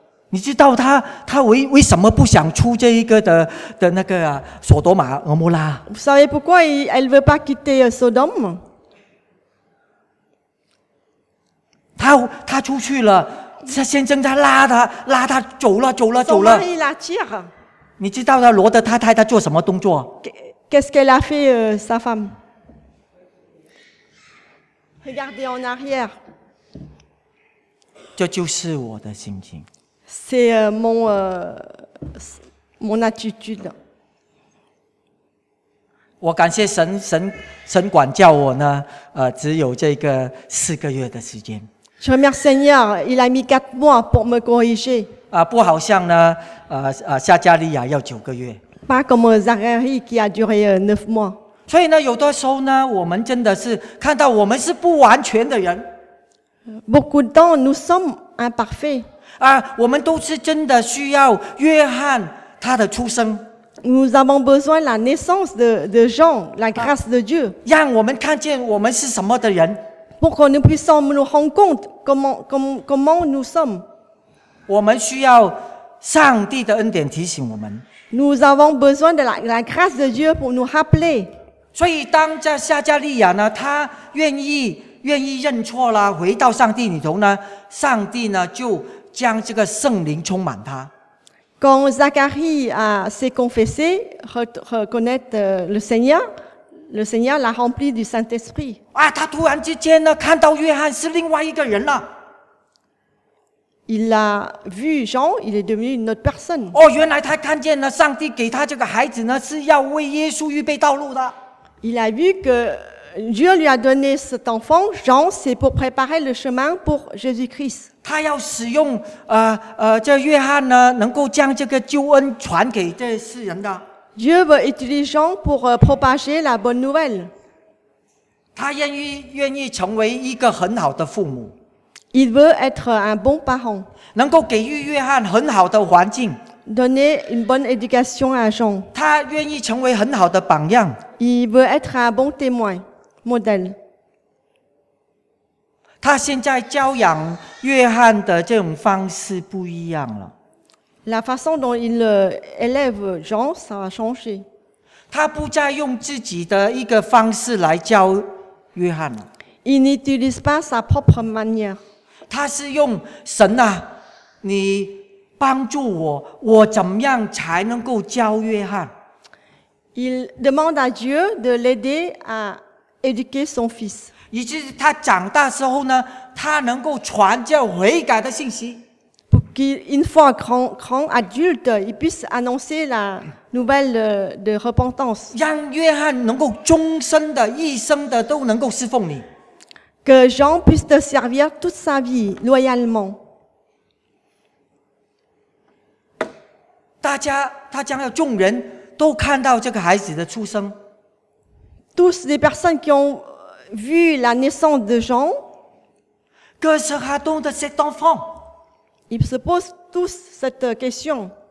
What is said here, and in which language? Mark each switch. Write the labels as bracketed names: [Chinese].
[Chinese] 你知道他 为什么不想出这一个 的那个索多玛俄摩拉 [French] Vous savez pourquoi elle veut pas quitter Sodome? [Chinese] 他出去了，他先生在拉他走了走了走了。 [French] Son mari la tire. [Chinese] 你知道他罗德太太他做什么动作 [French] ？Qu'est-ce qu'elle a fait sa femme? Regardez en arrière. [Chinese] 这就是我的心情。 [French] C'est mon attitude. [Chinese] 我感谢神管教我呢，只有这个四个月的时间。 [French] Je remercie Seigneur, il a mis 4 mois pour me corriger. [Chinese] 不好像呢，夏加利亚要9个月。 [French] Pas comme Zacharie qui a duré 9 mois. [Chinese] 所以呢，有的时候呢，我们真的是看到我们是不完全的人。 [French] Beaucoup de temps, nous sommes imparfaits. [Chinese] 我们都是真的需要约翰他的出生。 [French] Nous avons besoin la naissance de Jean, la grâce de Dieu. [Chinese] 让我们看见我们是什么的人。 [French] Pour que nous puissions nous rendre compte comment nous sommes. [Chinese] 我们需要上帝的恩典提醒我们。 [French] Nous avons besoin de la grâce de Dieu pour nous rappeler. [Chinese] 所以当夏加利亚呢，他愿意认错了，回到上帝里头呢，上帝呢就将这个圣灵充满他。 [French] Quand Zacharie a s'est confessé, reconnaître le Seigneur l'a rempli du Saint-Esprit. [Chinese] 啊，他突然之间呢，看到约翰是另外一个人了。 [French] Il a vu Jean, il est devenu une autre personne. [Chinese] 哦，原来他看见了上帝给他这个孩子呢，是要为耶稣预备道路的。 [French] Il a vu que Dieu lui a donné cet enfant, Jean, c'est pour préparer le chemin pour Jésus-Christ. [Chinese] 他要使用这约翰呢，能够将这个救恩传给这世人的。 [French] Dieu veut utiliser Jean pour propager la bonne nouvelle. [Chinese] 他愿意成为一个很好的父母。 [French] Il veut être un bon parent. [Chinese] 能够给予约翰很好的环境。 [French] Donner une bonne éducation à Jean. [Chinese] 他愿意成为很好的榜样。 [French] Il veut être un bon témoin, modèle. [Chinese] 他现在教养约翰的这种方式不一样了。 [French] La façon dont il élève Jean, ça a changé. [Chinese] 他不再用自己的一个方式来教约翰了。 [French] Il n'utilise pas sa propre manière. [Chinese] 他是用神啊，你帮助我，我怎么样才能够教约翰？ [French] Il demande à Dieu de l'aider à éduquer son fils. [Chinese] 以至于他长大时候呢，他能够传教悔改的信息。 [French] Pour qu'une fois grand adulte, il puisse annoncer la nouvelle de repentance. [Chinese] 让约翰能够终身的、一生的都能够侍奉你。 [French] Que Jean puisse te servir toute sa vie loyalement. [Chinese] 他将要众人都看到这个孩子的出生。 [French] Tous les personnes qui ont vu la naissance de Jean, que sera-t-on de cet enfant? Ils se posent tous cette question.